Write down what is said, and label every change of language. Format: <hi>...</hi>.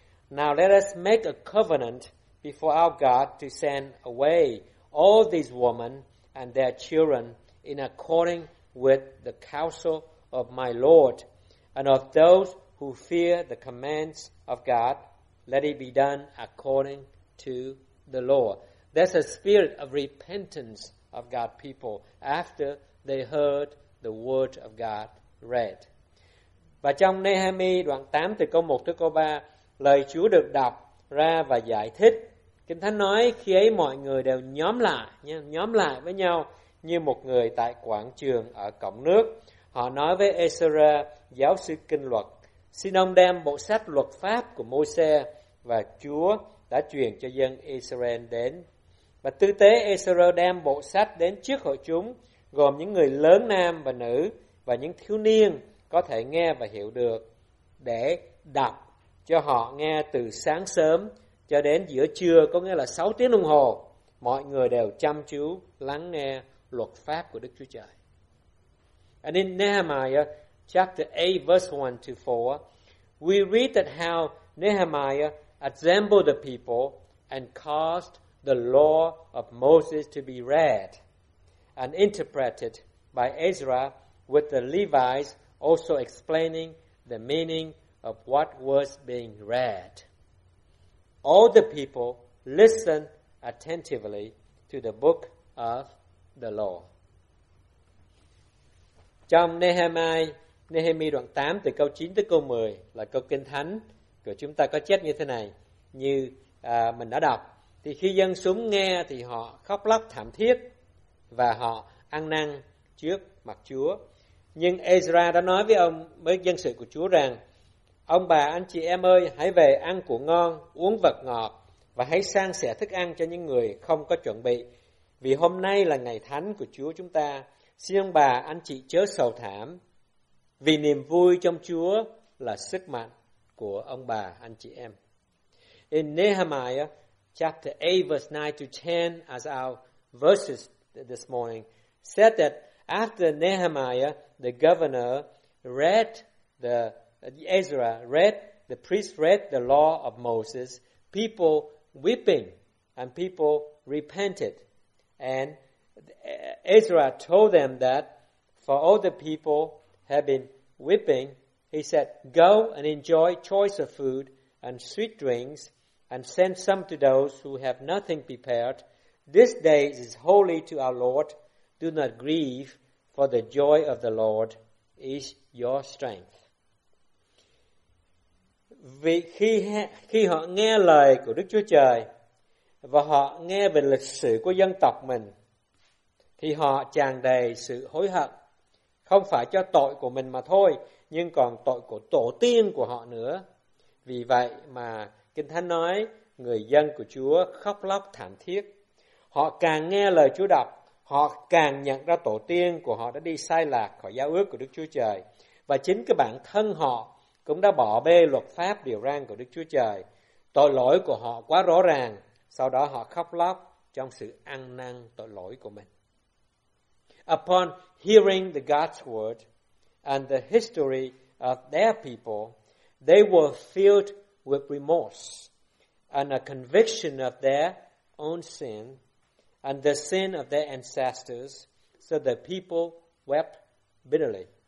<en>Now let us make a covenant before our God to send away all these women and their children in accordance with the counsel of my Lord and of those who fear the commands of God. Let it be done according to the law." There's a spirit of repentance of God's people after they heard the word of God read.</en> <vi>Và trong Nehemi đoạn 8 từ câu 1 tới câu 3, lời Chúa được đọc ra và giải thích. Kinh Thánh nói khi ấy mọi người đều nhóm lại, nhóm lại với nhau như một người tại quảng trường ở cổng nước. Họ nói với Ezra, giáo sư kinh luật, xin ông đem bộ sách luật pháp của Môi-se và Chúa đã truyền cho dân Israel đến. Và tư tế Ezra đem bộ sách đến trước hội chúng, gồm những người lớn nam và nữ và những thiếu niên có thể nghe và hiểu được, để đọc cho họ nghe từ sáng sớm cho đến giữa trưa, có nghĩa là 6 tiếng đồng hồ. Mọi người đều chăm chú lắng nghe luật pháp của Đức Chúa Trời.</vi> <en>And in Nehemiah chapter 8 verse 1 to 4, we read that how Nehemiah assembled the people and caused the law of Moses to be read and interpreted by Ezra with the Levites, also explaining the meaning of what was being read. All the people listened attentively to the book of the law.</en> <vi>Trong Nehemi đoạn 8 từ câu 9 tới câu 10 là câu kinh thánh của chúng ta có chép như thế này, như mình đã đọc. Thì khi dân súng nghe thì họ khóc lóc thảm thiết và họ ăn năn trước mặt Chúa. Nhưng Ezra đã nói với ông, với dân sự của Chúa rằng, ông bà, anh chị em ơi, hãy về ăn của ngon, uống vật ngọt và hãy san sẻ thức ăn cho những người không có chuẩn bị. Vì hôm nay là ngày thánh của Chúa chúng ta, xin ông bà, anh chị chớ sầu thảm, vì niềm vui trong Chúa là sức mạnh của ông bà, anh chị em.</vi> <en>In Nehemiah chapter 8 verse 9 to 10 as our verses this morning said that after Nehemiah, the governor read the priest read the law of Moses, people weeping and people repented. And Ezra told them that for all the people have been weeping, he said, go and enjoy choice of food and sweet drinks and send some to those who have nothing prepared. This day is holy to our Lord. Do not grieve, for the joy of the Lord is your strength.</en> <vi>Vì khi họ nghe lời của Đức Chúa Trời và họ nghe về lịch sử của dân tộc mình, thì họ tràn đầy sự hối hận, không phải cho tội của mình mà thôi, nhưng còn tội của tổ tiên của họ nữa. Vì vậy mà Kinh Thánh nói người dân của Chúa khóc lóc thảm thiết. Họ càng nghe lời Chúa đọc, họ càng nhận ra tổ tiên của họ đã đi sai lạc khỏi giao ước của Đức Chúa Trời, và chính cái bản thân họ cũng đã bỏ bê luật pháp điều răn của Đức Chúa Trời. Tội lỗi của họ quá rõ ràng, sau đó họ khóc lóc trong sự ăn năn tội lỗi của mình.</vi> <en>Upon hearing the God's word and the history of their people, they were filled with remorse and a conviction of their own sin and the sin of their ancestors, so the people wept bitterly.</en>